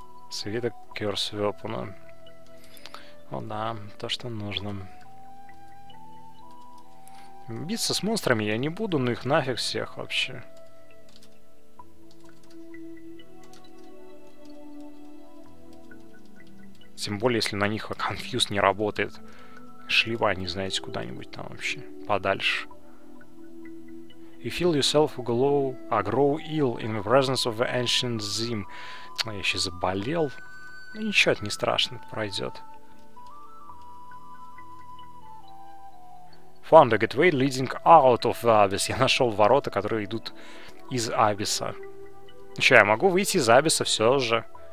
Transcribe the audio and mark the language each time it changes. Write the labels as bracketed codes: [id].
[ru] Свиток Curse Weapon. О да, то, что нужно. Биться с монстрами я не буду, но их нафиг всех вообще. Тем более, если на них конфьюз не работает. Шли бы они, знаете, куда-нибудь там вообще подальше. [en] You feel yourself glow, а grow ill in the presence of the ancient Zim. [ru] Я еще заболел. Ничего, это не страшно, это пройдет. [en] Found a gateway leading out of the Abyss. [ru] Я нашел ворота, которые идут из Абисса. Че, я могу выйти из Абисса все же.